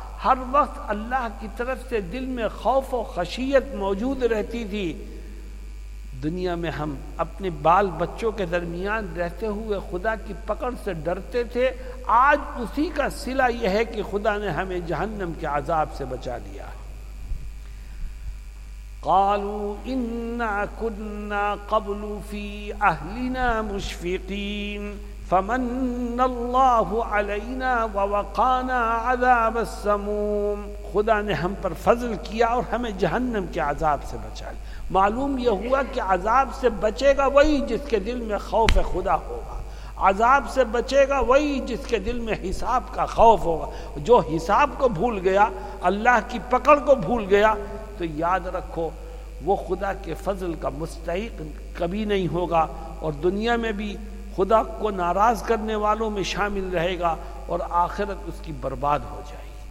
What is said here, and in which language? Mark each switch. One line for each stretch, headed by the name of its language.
Urdu: ہر وقت اللہ کی طرف سے دل میں خوف و خشیت موجود رہتی تھی. دنیا میں ہم اپنے بال بچوں کے درمیان رہتے ہوئے خدا کی پکڑ سے ڈرتے تھے, آج اسی کا صلہ یہ ہے کہ خدا نے ہمیں جہنم کے عذاب سے بچا لیا.
Arabic: قالوا انا كنا قبل في اهلنا مشفقين فمن الله علينا ووقانا عذاب السموم.
Urdu: خدا نے ہم پر فضل کیا اور ہمیں جہنم کے عذاب سے بچا لیا. معلوم یہ ہوا کہ عذاب سے بچے گا وہی جس کے دل میں خوف خدا ہوگا, عذاب سے بچے گا وہی جس کے دل میں حساب کا خوف ہوگا. جو حساب کو بھول گیا, اللہ کی پکڑ کو بھول گیا, تو یاد رکھو وہ خدا کے فضل کا مستحق کبھی نہیں ہوگا, اور دنیا میں بھی خدا کو ناراض کرنے والوں میں شامل رہے گا اور آخرت اس کی برباد ہو جائے گی.